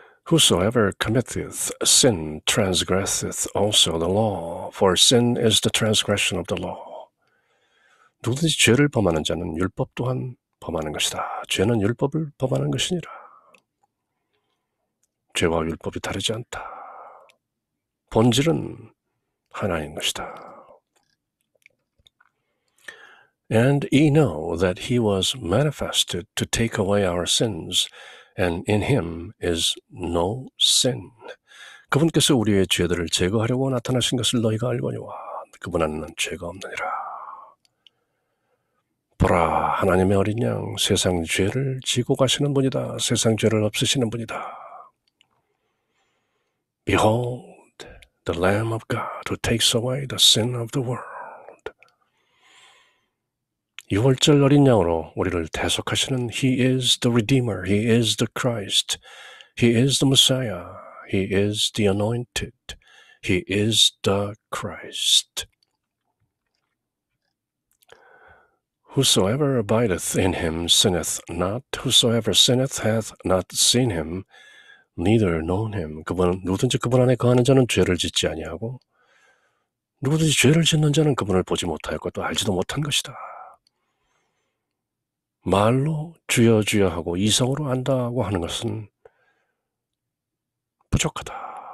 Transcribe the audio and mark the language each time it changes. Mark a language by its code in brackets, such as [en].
[en] Whosoever committeth sin transgresseth also the law, for sin is the transgression of the law. [ko] 누구든지 죄를 범하는 자는 율법 또한 범하는 것이다. 죄는 율법을 범하는 것이니라. 죄와 율법이 다르지 않다. 본질은 하나인 것이다. [en] And ye know that he was manifested to take away our sins, and in him is no sin. [ko] 그분께서 우리의 죄들을 제거하려고 나타나신 것을 너희가 알거니와 그분 안에는 죄가 없느니라. 보라, 하나님의 어린 양, 세상 죄를 지고 가시는 분이다. 세상 죄를 없으시는 분이다. [en] Behold, the Lamb of God who takes away the sin of the world. [ko] 유월절 어린 양으로 우리를 대속하시는 [en] He is the Redeemer, He is the Christ, He is the Messiah, He is the Anointed, He is the Christ. Whosoever abideth in Him sinneth not, whosoever sinneth hath not seen Him, neither known Him. [ko] 누구든지 그분 안에 거하는 자는 죄를 짓지 아니하고 누구든지 죄를 짓는 자는 그분을 보지 못하였고 또 알지도 못한 것이다. 말로 주여 주여 하고 이성으로 안다고 하는 것은 부족하다.